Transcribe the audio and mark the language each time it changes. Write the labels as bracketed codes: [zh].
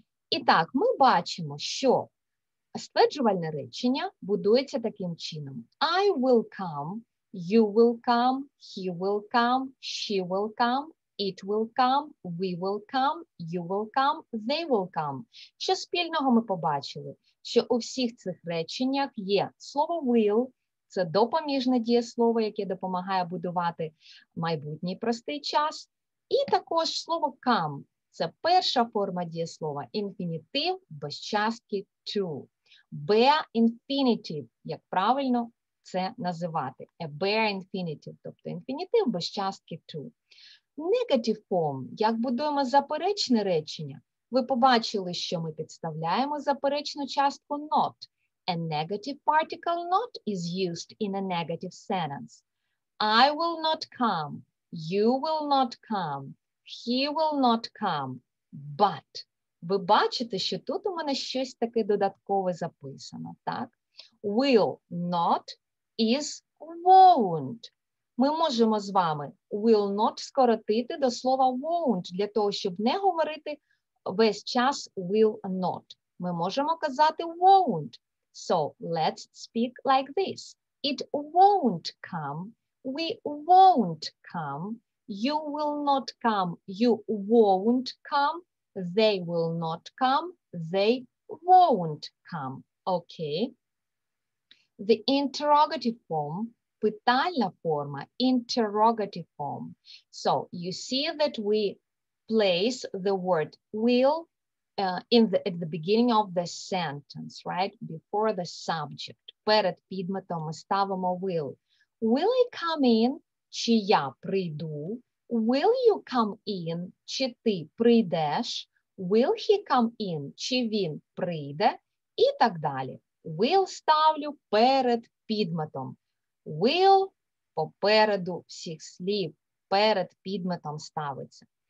[uk] І так, ми бачимо, що стверджувальне речення будується таким чином. [en] I will come, you will come, he will come, she will come, it will come, we will come, you will come, they will come. [uk] Що спільного ми побачили? Що у всіх цих реченнях є слово will, це допоміжне дієслово, яке допомагає будувати майбутній простий час. І також слово come – це перша форма дієслова, інфінітив без частки to. Bare infinitive, як правильно це називати. A bare infinitive, тобто інфінітив без частки to. Negative form, як будуємо заперечне речення. Ви побачили, що ми підставляємо заперечну частку not. [en] A negative particle not is used in a negative sentence. I will not come. You will not come, he will not come, but. [uk] Ви бачите, що тут у мене щось таке додаткове записано, так? [en] Will not is won't. [uk] Ми можемо з вами will not скоротити до слова won't, для того, щоб не говорити весь час will not. Ми можемо казати won't. [en] So let's speak like this. It won't come. We won't come, you will not come, you won't come, they will not come, they won't come. Okay. The interrogative form, [uk] питальна форма, [en] interrogative form. So you see that we place the word will at the beginning of the sentence, right? Before the subject. [uk] Перед підметом ми ставимо will. [en] Will I come in? [uk] Чи я прийду? [en] Will you come in? [uk] Чи ти прийдеш? [en] Will he come in? [uk] Чи він прийде? І так далі. [en] Will [uk] ставлю перед підметом. Will попереду всіх слів перед підметом ставиться.